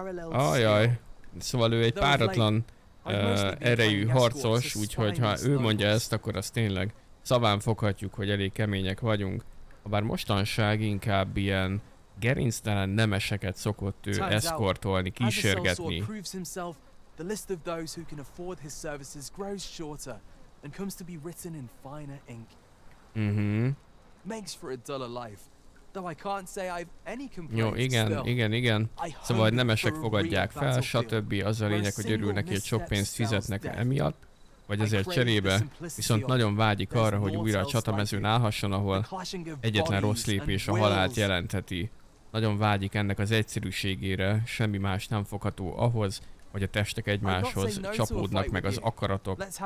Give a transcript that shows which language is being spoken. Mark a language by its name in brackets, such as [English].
[Hungarian] Ajaj. Szóval ő egy páratlan erejű harcos, úgyhogy ha ő mondja ezt, akkor azt tényleg szaván foghatjuk, hogy elég kemények vagyunk. Habár mostanság inkább ilyen gerinctelen nemeseket szokott ő eszkortolni, kísérgetni. [English] The list of those who can afford his services grows shorter and comes to be written in finer ink. Makes for a duller life. Though I can't say I've any complaints. [Hungarian] Jó, igen. Szóval nemesek fogadják fel, stb. Az a lényeg, hogy örülnek, hogy sok pénzt fizetnek emiatt, vagy ezért cserébe, viszont nagyon vágyik arra, hogy újra a csatamezőn állhasson, ahol egyetlen rossz lépés a halált jelentheti. Nagyon vágyik ennek az egyszerűségére, semmi más nem fogható ahhoz, hogy a testek egymáshoz csapódnak meg az akaratok.